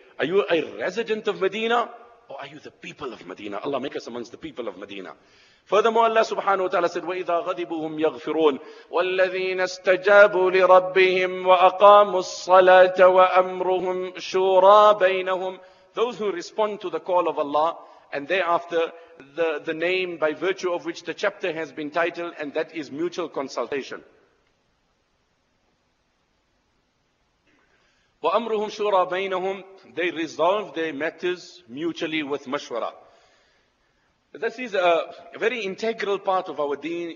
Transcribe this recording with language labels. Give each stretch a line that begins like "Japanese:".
English: Are you a resident of Medina or are you the people of Medina? Allah make us amongst the people of Medina. Furthermore, Allah subhanahu wa ta'ala said,
Arabic: وَإِذَا غَضِبُهُمْ يَغْفِرُونَ وَالَّذِينَ اسْتَجَابُوا لِرَبِّهِمْ وَأَقَامُوا الصَّلَاةَ وَأَمْرُهُمْ شُورَى بَيْنَهُمْ.
English: Those who respond to the call of Allah, and thereafter the name by virtue of which the chapter has been titled, and that is mutual consultation.
Arabic: وَأَمْرُهُمْ شُورَى بَيْنَهُمْ.
English: They resolve their matters mutually with mashwara. This is a very integral part of our deen.